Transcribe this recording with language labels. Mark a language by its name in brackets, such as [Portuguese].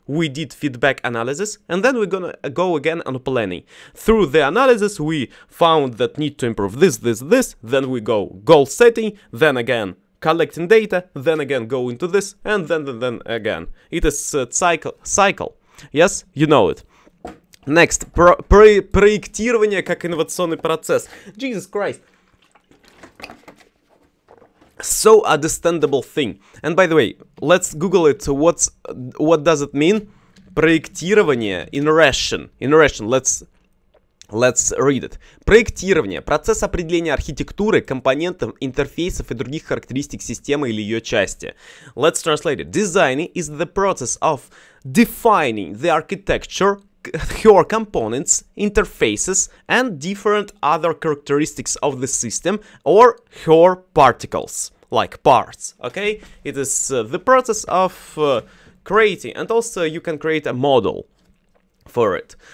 [English] We did feedback analysis, and then we're gonna go again on planning. Through the analysis, we found that need to improve this. Then we go goal setting, then again collecting data, then again go into this, and then again. It is a cycle. Yes, you know it. [Russian] Next, проектирование как инновационный процесс. [English] Jesus Christ. So understandable thing. And by the way, let's Google it. What does it mean? Проектирование in Russian. In Russian, let's read it. [Russian] Проектирование – процесс определения архитектуры, компонентов, интерфейсов и других характеристик системы или ее части. [English] Let's translate it. Design is the process of defining the architecture, her components, interfaces, and different other characteristics of the system or her particles. Like parts, okay? It is the process of creating, and also you can create a model for it.